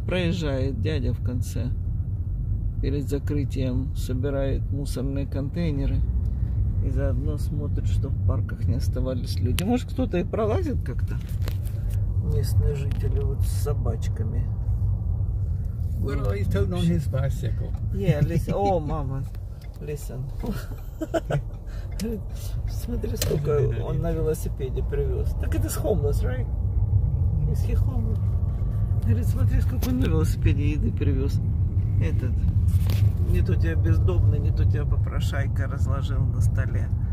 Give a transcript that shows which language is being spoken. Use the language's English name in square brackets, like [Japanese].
[Russian] Проезжает дядя в конце. Перед закрытием собирает мусорные контейнеры. И заодно смотрит, что в парках не оставались люди. Может, кто-то и пролазит как-то? Местные жители вот с собачками. [English] We're a little on his bicycle. Yeah, listen. Oh, mama. Listen. [Russian] Смотри, сколько он на велосипеде привез. Так это с [English] homeless, right? Is he homeless? [Russian] Говорит, смотри, сколько он на велосипеде еды привез. Этот. Не то тебя бездомный, не то тебя попрошайка разложил на столе.